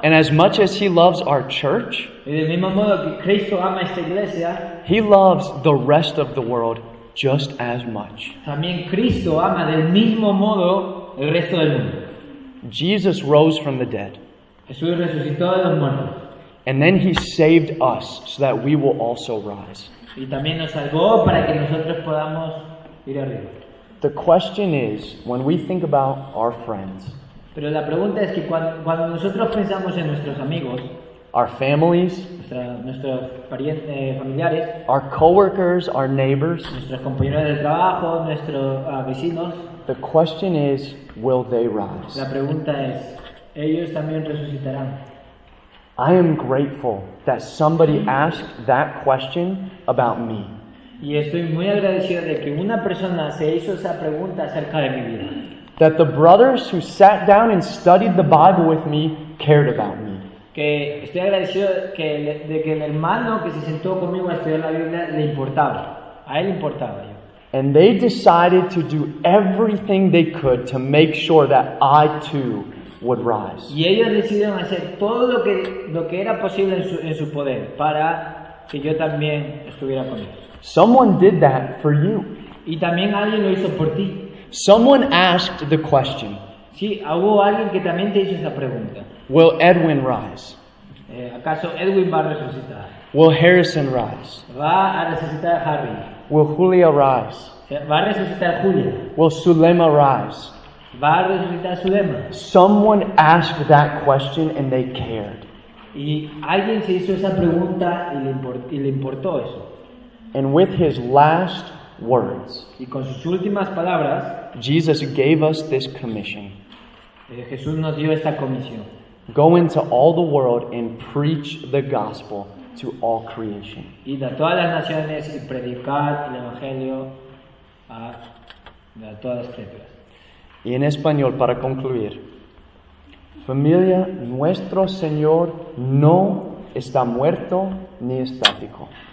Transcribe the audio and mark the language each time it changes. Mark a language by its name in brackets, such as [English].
[English] and as much as he loves our church, [Spanish] del mismo modo que Cristo ama esta iglesia, [English] he loves the rest of the world just as much. [Spanish] También Cristo ama del mismo modo el resto del mundo. [English] Jesus rose from the dead. [Spanish] Jesús resucitó de los muertos. [English] And then he saved us so that we will also rise. [Spanish] Y también nos salvó para que nosotros podamos ir arriba. [English] The question is, when we think about our friends, [Spanish] pero la pregunta es que cuando nosotros pensamos en nuestros amigos, [English] our families, [Spanish] nuestros familiares, [English] our coworkers, our neighbors, [Spanish] nuestros compañeros de trabajo, nuestros vecinos, [English] the question is, will they rise? [Spanish] La pregunta es, ¿ellos también resucitarán? [English] I am grateful that somebody asked that question about me. [Spanish] Y estoy muy agradecido de que una persona se hizo esa pregunta acerca de mi vida. [English] That the brothers who sat down and studied the Bible with me cared about me. [Spanish] Que estoy agradecido de que el hermano que se sentó conmigo a estudiar la Biblia le importaba. A él importaba yo. [English] And they decided to do everything they could to make sure that I too would rise. [Spanish] Y ellos decidieron hacer todo lo que era posible en su poder para que yo también estuviera con ellos. [English] Someone did that for you. [Spanish] Y también alguien lo hizo por ti. [English] Someone asked the question. [Spanish] Sí, hubo alguien que también te hizo esa pregunta. [English] Will Edwin rise? [Spanish] ¿Acaso Edwin va a resucitar? [English] Will Harrison rise? [Spanish] ¿Va a resucitar Harry? [English] Will Julia rise? [Spanish] ¿Va a resucitar Julia? [English] Will Sulema rise? [Spanish] ¿Va a resucitar Sulema? [English] Someone asked that question and they cared. [Spanish] Y alguien se hizo esa pregunta y le importó eso. [English] And with his last words, [Spanish] y con sus últimas palabras, [English] Jesus gave us this commission. [Spanish] Jesús nos dio esta comisión. [English] Go into all the world and preach the gospel to all creation. [Spanish] Id a todas las naciones y predicad el evangelio a todas las criaturas. Y en español, para concluir, familia, nuestro Señor no está muerto ni estático.